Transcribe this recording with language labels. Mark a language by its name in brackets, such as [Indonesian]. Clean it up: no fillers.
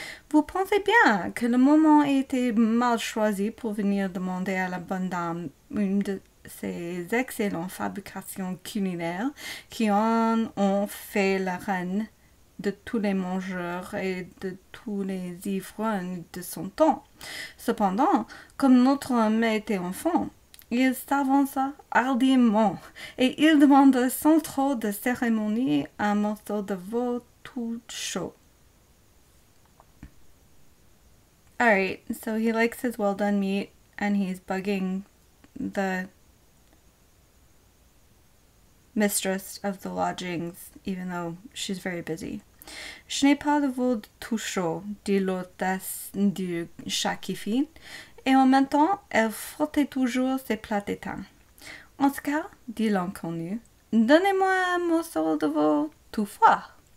[French] Vous pensez bien que le moment était mal choisi pour venir demander à la bonne dame une de ces excellentes fabrications culinaires qui en ont fait la reine de tous les mangeurs et de tous les ivrognes de son temps. Cependant, comme notre homme était enfant, il s'avança hardiment et il demanda sans trop de cérémonie un morceau de veau tout chaud. [English] All right, so he likes his well-done meat and he's bugging the mistress of the lodgings, even though she's very busy. [French] Je n'ai pas de veau tout chaud, dit l'hôtesse du chat qui file, et en même temps, elle frottait toujours ses plats d'étain. En ce cas, dit l'inconnu, donnez-moi un morceau de veau tout froid.